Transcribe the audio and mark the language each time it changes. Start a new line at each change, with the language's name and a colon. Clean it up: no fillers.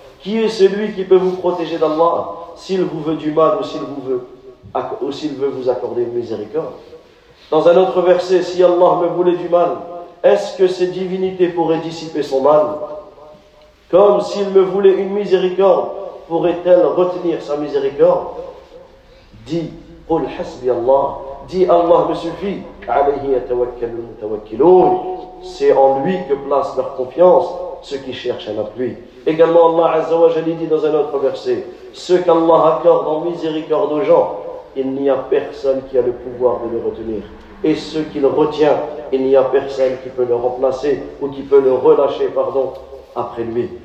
French: Qui est celui qui peut vous protéger d'Allah s'il vous veut du mal ou s'il veut vous accorder une miséricorde? Dans un autre verset: si Allah me voulait du mal, est-ce que ces divinités pourraient dissiper son mal? Comme s'il me voulait une miséricorde, pourrait-elle retenir sa miséricorde? Dis,
Arabic: قُلْ حَسْبِ اللَّهِ.
French: Dis, Allah me suffit.
Arabic: عَلَيْهِ يَتَوَكَّلُ الْمُتَوَكِّلُونَ.
French: C'est en lui que placent leur confiance ceux qui cherchent un appui. Également, Allah Azza wa Jalla dit dans un autre verset: ce qu'Allah accorde en miséricorde aux gens, il n'y a personne qui a le pouvoir de le retenir. Et ce qu'il retient, il n'y a personne qui peut le remplacer ou qui peut le relâcher, pardon, après lui.